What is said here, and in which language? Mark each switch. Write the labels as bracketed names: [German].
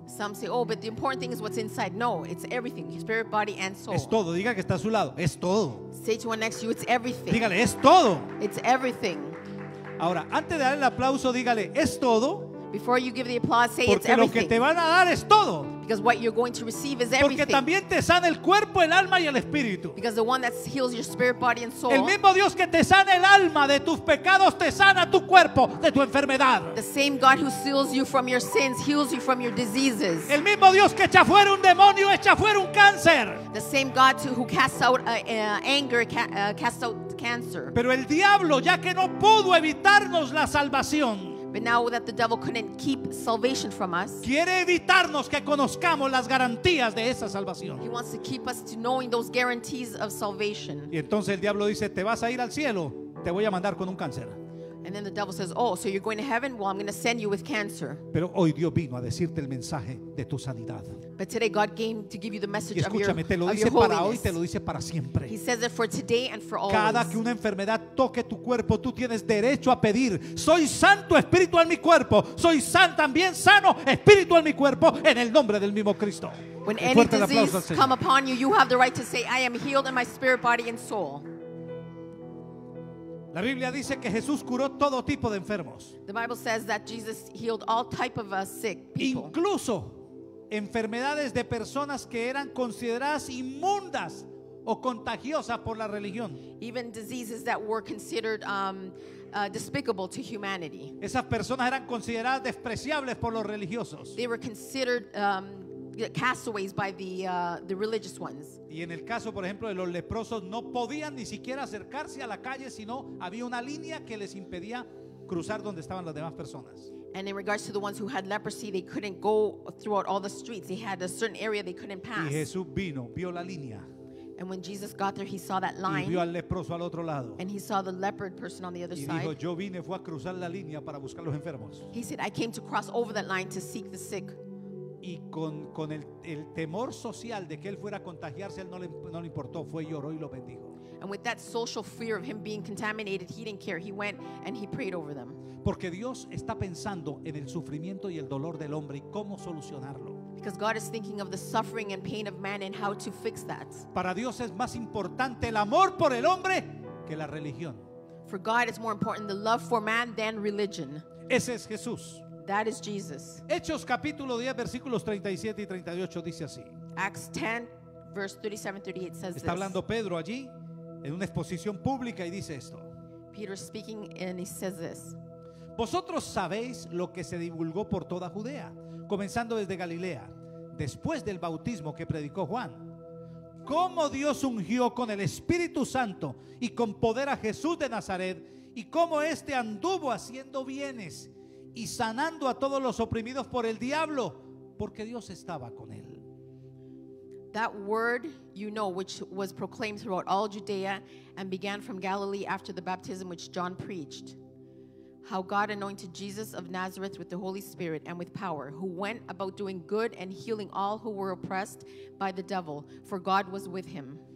[English] Some say, oh, but the important thing is what's inside. No, it's everything, spirit, body, and soul. [Spanish] Es todo. Diga que está a su lado. Es todo. [English] Say to one next to you, it's everything. [Spanish] Dígale, es todo. [English] It's everything. [Spanish] Ahora, antes de darle el aplauso, dígale, es todo. [English] Before you give the applause, say [Spanish] porque Porque lo que te van a dar es todo. [English] Because what you're going to receive is everything. [Spanish] Porque también te sana el cuerpo, el alma y el espíritu. [English] Because the one that heals your spirit, body and soul. [Spanish] El mismo Dios que te sana el alma de tus pecados te sana tu cuerpo de tu enfermedad. [English] The same God who heals you from your sins heals you from your diseases. [Spanish] El mismo Dios que echa fuera un demonio echa fuera un cáncer. [English] The same God who casts out anger casts out cancer. [Spanish] Pero el diablo, ya que no pudo evitarnos la salvación, [English] but now that the devil couldn't keep salvation from us, [Spanish] quiere evitarnos que conozcamos las garantías de esa salvación. [English] He wants to keep us to knowing those guarantees of salvation. [Spanish] Y entonces el diablo dice, te vas a ir al cielo, te voy a mandar con un cáncer. [English] And then the devil says, oh, so you're going to heaven? Well, I'm going to send you with cancer. [Spanish] Pero hoy Dios vino a decirte el mensaje de tu sanidad. [English] But today God came to give you the message of your holiness. [Spanish] Te lo dice para hoy, te lo dice para siempre. [English] He says it for today and for always. [Spanish] Cada que una enfermedad toque tu cuerpo, tú tienes derecho a pedir, soy santo espiritual mi cuerpo, soy santo también sano espiritual mi cuerpo en el nombre del mismo Cristo. [English] When any disease come upon you, you have the right to say, I am healed in my spirit, body and soul. [Spanish] La Biblia dice que Jesús curó todo tipo de enfermos. [English] The Bible says that Jesus healed all type of sick people. [Spanish] Incluso enfermedades de personas que eran consideradas inmundas o contagiosas por la religión. [English] Even diseases that were considered despicable to humanity. [Spanish] Esas personas eran consideradas despreciables por los religiosos. [English] They were considered castaways by the religious ones. [Spanish] Y en el caso, por ejemplo, de los leprosos, no podían ni siquiera acercarse a la calle, sino había una línea que les impedía cruzar donde estaban las demás personas. [English] And in regards to the ones who had leprosy, they couldn't go throughout all the streets. They had a certain area they couldn't pass. [Spanish] Y Jesús vino, vio la línea. [English] And when Jesus got there, he saw that line. [Spanish] Y vio al leproso al otro lado. [English] And he saw the leopard person on the other [Spanish] y [English] side. [Spanish] Y dijo, yo vine, fue a cruzar la línea para buscar los enfermos. [English] He said, I came to cross over that line to seek the sick. [Spanish] Y con el temor social de que él fuera a contagiarse, él no le importó, fue y oró y lo bendijo. [English] And with that social fear of him being contaminated, he didn't care. He went and he prayed over them. [Spanish] Porque Dios está pensando en el sufrimiento y el dolor del hombre y cómo solucionarlo. [English] Because God is thinking of the suffering and pain of man and how to fix that. [Spanish] Para Dios es más importante el amor por el hombre que la religión. [English] For God is more important the love for man than religion. [Spanish] Ese es Jesús. [English] That is Jesus. [Spanish] Hechos capítulo 10 versículos 37 y 38 dice así. [English] Acts 10 verse 37-38 says this. [Spanish] Está hablando Pedro allí en una exposición pública y dice esto. [English] Peter speaking and he says this. [Spanish] Vosotros sabéis lo que se divulgó por toda Judea, comenzando desde Galilea, después del bautismo que predicó Juan. Cómo Dios ungió con el Espíritu Santo y con poder a Jesús de Nazaret, y cómo éste anduvo haciendo bienes y sanando a todos los oprimidos por el diablo, porque Dios estaba con él. [English] That word you know, which was proclaimed throughout all Judea and began from Galilee after the baptism which John preached. How God anointed Jesus of Nazareth with the Holy Spirit and with power, who went about doing good and healing all who were oppressed by the devil, for God was with him.